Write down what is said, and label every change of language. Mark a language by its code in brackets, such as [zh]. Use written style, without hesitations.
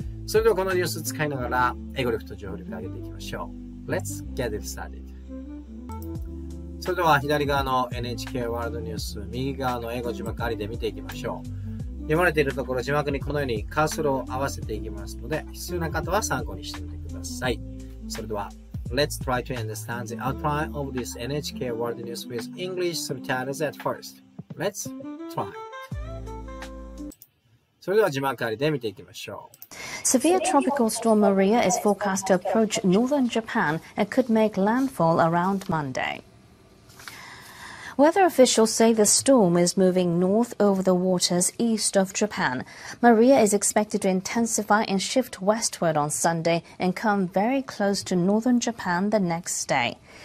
[ja] それではこのニュース使いながら、英語力と情報力を上げていきましょう。 [en] Let's get it started. [ja] それでは左側の NHK ワールドニュース、右側の英語字幕ありで見ていきましょう。読まれているところ、字幕にこのようにカーソルを合わせていきますので、必要な方は参考にしてみてください。 [en] それでは、Let's try to understand the outline of this NHK World News with English subtitles at first. Let's try. [ja] それでは字幕ありで見ていきましょう。 [en] Severe tropical storm Maria is forecast to approach northern Japan and could make landfall around Monday. Weather officials say the storm is moving north over the waters east of Japan. Maria is expected to intensify and shift westward on Sunday and come very close to northern Japan the next day.